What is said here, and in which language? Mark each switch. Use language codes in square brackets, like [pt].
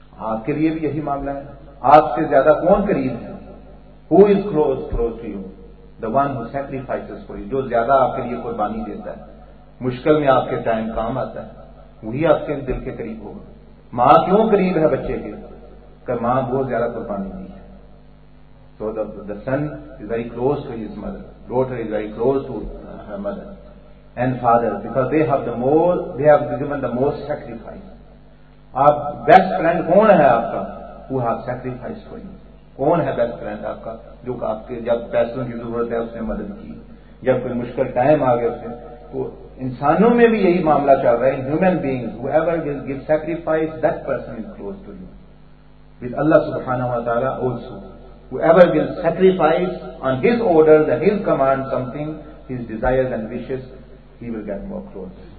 [ur] آپ کے لیے بھی یہی معاملہ ہے, آپ سے زیادہ کون قریب ہے, [en] who is close to you, the one who sacrifices for you, [ur] جو زیادہ آپ کے لیے قربانی دیتا ہے, مشکل میں آپ کے ٹائم کام آتا ہے, وہی آپ کے دل کے قریب ہوگا. ماں کیوں قریب ہے بچے کے, کہ ماں بہت زیادہ قربانی دی ہے. [en] So the son is very close to his mother, daughter is very close to her mother and father, because they have the more, they have given the more sacrifice. [ur] آپ بیسٹ فرینڈ کون ہے آپ کا, [en] وہ have sacrifice for you. [ur] کون ہے best friend آپ کا جو آپ کے جب پیسوں کی ضرورت ہے اس نے مدد کی, جب کوئی مشکل ٹائم آ گیا اس نے. تو انسانوں میں بھی یہی معاملہ چل رہا ہے, [en] Human beings, whoever will give sacrifice that person is close to you with اللہ سبحانہ و تعالیٰ also, whoever will sacrifice on his order and his command something his desire and wishes, he will get more close.